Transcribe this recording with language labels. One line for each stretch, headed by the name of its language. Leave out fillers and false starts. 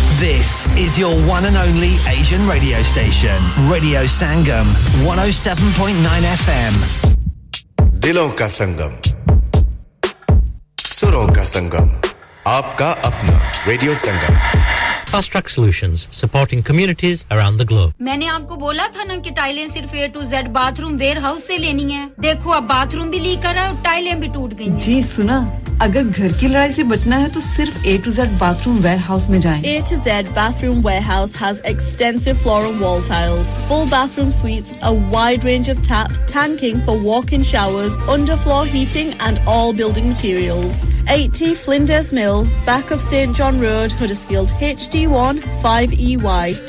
English: This is your one and only Asian radio station. Radio Sangam, 107.9 FM.
Hindi: Dilon ka Sangam. Suron ka Sangam. Aapka apna Radio Sangam.
English: Fast Track Solutions, supporting communities around the globe.
Hindi: मैंने आपको बोला था ना कि टाइलें सिर्फ A to Z bathroom warehouse से लेनी है देखो अब बाथरूम भी लीक कर रहा है और टाइलें भी टूट गई हैं जी सुना अगर घर की लड़ाई से बचना है तो सिर्फ A to Z bathroom warehouse में जाएं
English: A to Z Bathroom Warehouse has extensive floor and wall tiles full bathroom suites a wide range of taps tanking for walk-in showers underfloor heating and all building materials 80 Flinders Mill back of St John Road Huddersfield HD1 5EY.